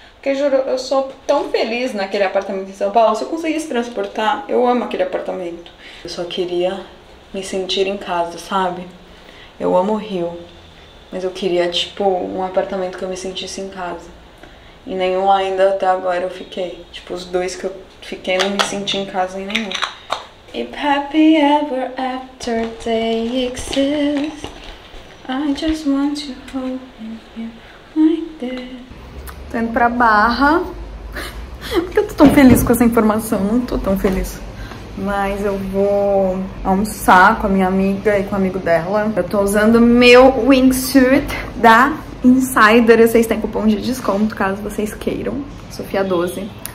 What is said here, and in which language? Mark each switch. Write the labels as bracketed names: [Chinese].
[Portuguese] Porque, juro, eu sou tão feliz naquele apartamento em São Paulo. Se eu conseguisse transportar, eu amo aquele apartamento. Eu só queria me sentir em casa, sabe? Eu amo o Rio. Mas eu queria, tipo, um apartamento que eu me sentisse em casa. E nenhum ainda até agora eu fiquei. Tipo, os dois que eu fiquei, não me senti em casa em nenhum. [English] If happy ever after they exist, I just want to hold you like this. [Portuguese] Tô indo pra Barra. Por que eu tô tão feliz com essa informação? Não tô tão feliz. Mas eu vou almoçar com a minha amiga e com o amigo dela. Eu tô usando meu wingsuit da Insider. Vocês têm cupom de desconto caso vocês queiram. Sofia12.